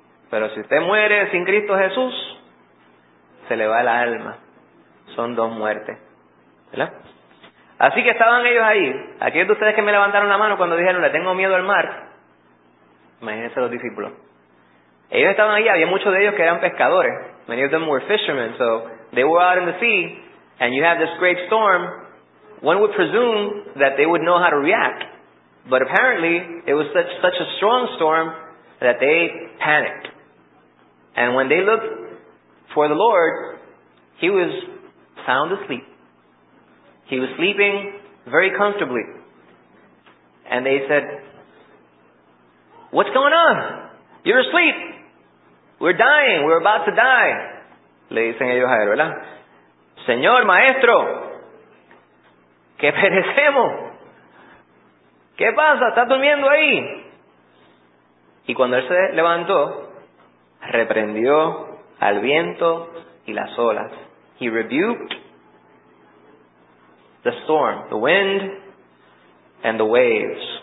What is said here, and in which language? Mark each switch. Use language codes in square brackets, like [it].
[es] Pero si usted muere sin Cristo Jesús, se le va el alma. Son dos muertes, ¿verdad? Así que estaban ellos ahí. Aquellos de ustedes que me levantaron la mano cuando dijeron, le tengo miedo al mar. Imagínense los discípulos. Ellos estaban ahí, había muchos de ellos que eran pescadores. [en] Many of them were fishermen, so they were out in the sea. And you have this great storm, one would presume that they would know how to react. But apparently, it was such a strong storm that they panicked. And when they looked for the Lord, he was sound asleep. He was sleeping very comfortably. And they said, what's going on? You're asleep. We're dying. We're about to die. [es] Le dicen ellos a él, ¿verdad? Señor, maestro, que perecemos. ¿Qué pasa? ¿Estás durmiendo ahí? Y cuando él se levantó, reprendió al viento y las olas. [en] He rebuked the storm, the wind, and the waves.